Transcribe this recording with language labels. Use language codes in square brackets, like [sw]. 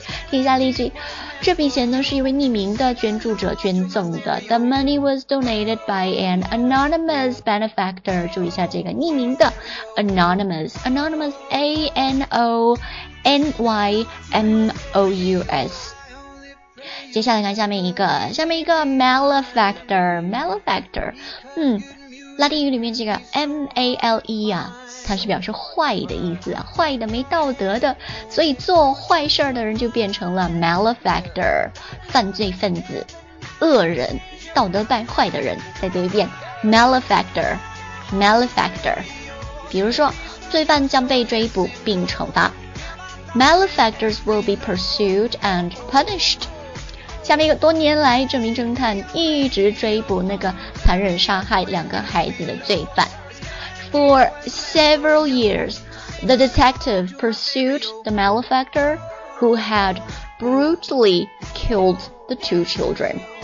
[zh] 听一下例句，这笔钱呢是一位匿名的捐助者捐赠的。 [en] The money was donated by an anonymous benefactor。 [zh] 注意一下这个匿名的 anonymous A N O N Y M O U S。接下来看下面一个 malefactor。拉丁语里面这个 male 啊，它是表示坏的意思，坏的、没道德的，所以做坏事的人就变成了 malefactor， 犯罪分子、恶人、道德败坏的人。再读一遍 malefactor。比如说，罪犯将被追捕并惩罚 ， [en] malefactors will be pursued and punished。 [zh] 下面一个，多年来这名侦探一直追捕那个残忍杀害两个孩子的罪犯。 [en] For several years, the detective pursued the malefactor who had brutally killed the two children.